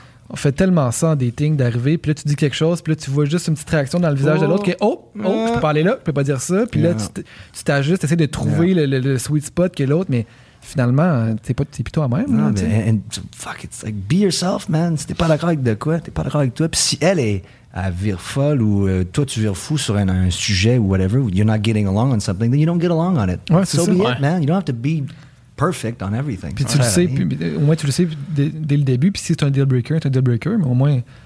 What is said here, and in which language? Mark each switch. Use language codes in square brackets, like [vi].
[fr] On fait tellement ça en dating d'arriver, puis là, tu dis quelque chose, puis là, tu vois juste une petite réaction dans le visage de l'autre qui est Oh, je peux parler là, je peux pas dire ça. Puis là, tu t'ajustes, tu essaies de trouver le sweet spot que l'autre, mais finalement, t'es plutôt à même. Non, mais [en] fuck, it's like, be yourself, man. [fr] Si t'es pas d'accord avec de quoi, t'es pas d'accord avec toi. Puis si elle est à vire folle ou toi, tu vires fou sur un sujet ou [en] whatever, you're not getting along on something, then you don't get along on it. [fr] Ouais, [en] so [fr] ça. [en] Be [fr] ouais. [en] it, man. You don't have to be. Perfect on everything. [fr] Puis tu le sais, au moins tu le sais dès le début. Puis si c'est un deal breaker, c'est un deal breaker, mais au moins